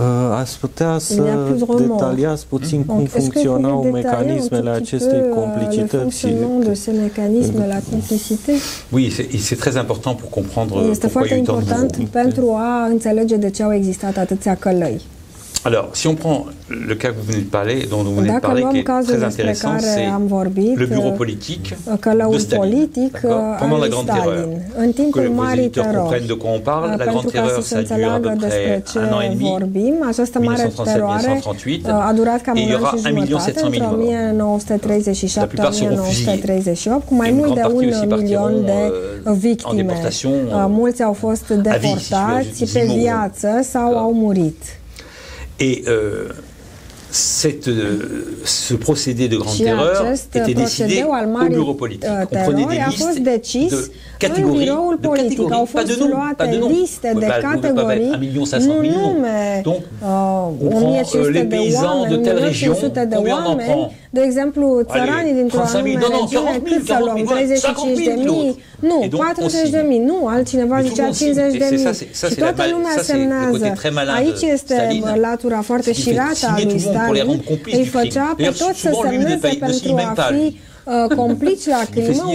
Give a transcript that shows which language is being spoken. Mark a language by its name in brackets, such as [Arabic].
[Romanian] Ați putea să detaliați puțin cum funcționau mecanismele acestei complicități? Este foarte important [French] pour comprendre [Romanian] pentru a înțelege de ce au existat atâția călăi. [French] Alors, si on prend le cas que vous venez de parler, dont vous venez de parler, qui est très intéressant, c'est le bureau politique de Stalin, pendant la Grande Terreur. Que les auditeurs comprennent de quoi on parle, la Grande Terreur, ça a duré à peu près un an et demi, 1937-1938, et il y aura 1,7 million de morts. La plupart seront fusillés. Une grande partie aussi partiront en déportation, à vie, si je veux dire, ils mourront. Et ce procédé de grande terreur était décidé au bureau politique. On prenait des listes de catégories, pas de noms, pas de noms. Pas 1,5 million de noms. Donc, on prend les paysans de telle région, combien on en prend? [Romanian] De exemplu, țăranii dintr-o anume regiune, cât să luăm? 35.000? Nu, 40.000. Nu, altcineva zicea 50.000. Și toată lumea semnează. Aici este latura foarte șirată a lui Stalin. Îi făcea pe toți să semneze pentru a fi complici la crimă.